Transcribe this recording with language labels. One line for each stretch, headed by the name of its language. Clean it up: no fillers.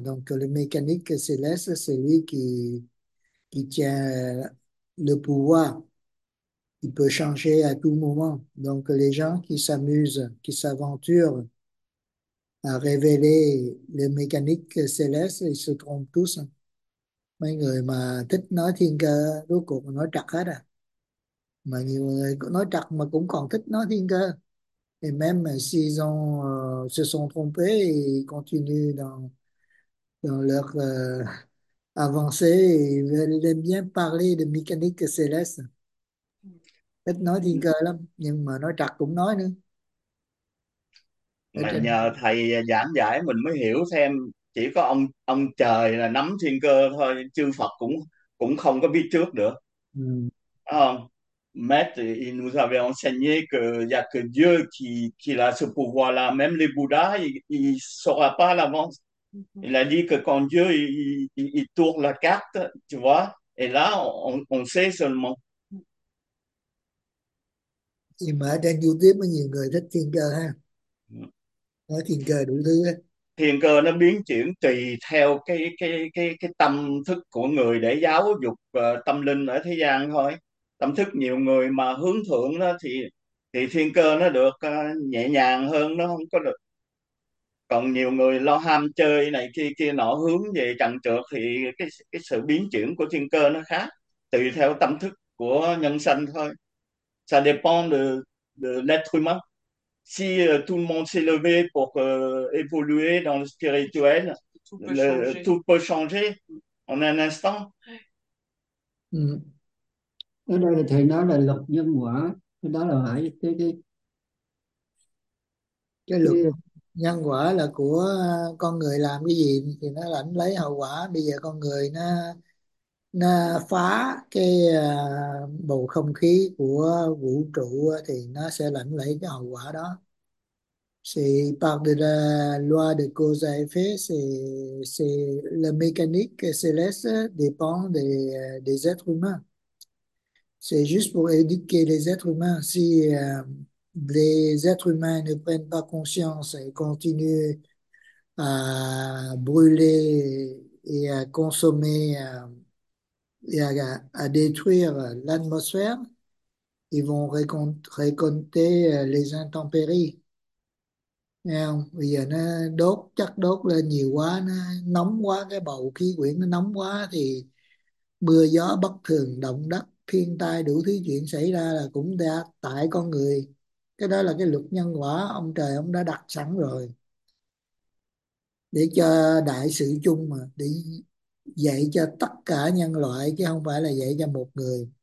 French: Donc, le mécanique céleste, c'est lui qui tient le pouvoir. Il peut changer à tout moment. Donc, les gens qui s'amusent, qui s'aventurent à révéler le mécanique céleste, ils se trompent tous.
Vietnamese: Mấy người mà thích nói thiên cơ rốt cuộc nói trật hết à, mà nhiều người nói trật mà cũng còn thích nói thiên cơ,
French: et même s'ils ont se sont trompés, ils continuent dans leur avancée, ils veulent bien parler de mécanique céleste,
Vietnamese: thích nói thiên cơ lắm, nhưng mà nói trật cũng nói nữa ở trên. nhờ thầy giảng giải mình mới hiểu xem chỉ có ông trời là nắm thiên cơ thôi, chư Phật cũng cũng không có biết trước được.
French: Maître, il nous avait enseigné que il y a que Dieu qui a ce pouvoir-là. Même les Bouddhas, il ne saura pas à l'avance. Il a dit que quand Dieu il tourne la carte, tu vois, et là on sait seulement.
Vietnamese: Mà đang du tiếp với nhiều người thích thiên cơ ha, nói thiên cơ đủ thứ ấy. Thiên cơ nó biến chuyển tùy theo cái tâm thức của người để giáo dục tâm linh ở thế gian thôi. Tâm thức nhiều người mà hướng thượng đó thì thiên cơ nó được nhẹ nhàng hơn, nó không có được. Còn nhiều người lo ham chơi này kia kia nọ, hướng về trần trược thì cái sự biến chuyển của thiên cơ nó khác, tùy theo tâm thức của nhân sanh thôi.
French: Ça dépend de l'être humain. Si tout le monde s'est levé pour évoluer dans le spirituel, Tout peut changer. tout peut changer en un instant.
Vietnamese: Ừ. Ở đây thầy nói là luật nhân quả, cái đó là phải Cái luật nhân quả là của con người làm cái gì thì nó lãnh lấy hậu quả. Bây giờ con người nó phá cái bầu không khí của vũ trụ thì nó sẽ lãnh lấy cái hậu quả đó.
French: C'est par de la loi de cause à effet, c'est la mécanique céleste dépend des êtres humains. C'est juste pour éduquer les êtres humains. Si les êtres humains ne prennent pas conscience et continuent à brûler et à consommer et à détruire l'atmosphère, ils vont récolter les intempéries.
Vietnamese: Không? Bây giờ nó đốt chất đốt lên nhiều quá, nó nóng quá, cái bầu khí quyển nó nóng quá thì mưa gió bất thường, động đất, thiên tai đủ thứ chuyện xảy ra là cũng đã tại con người. Cái đó là cái luật nhân quả ông trời ông đã đặt sẵn rồi để cho đại sự chung, mà để dạy cho tất cả nhân loại chứ không phải là dạy cho một người.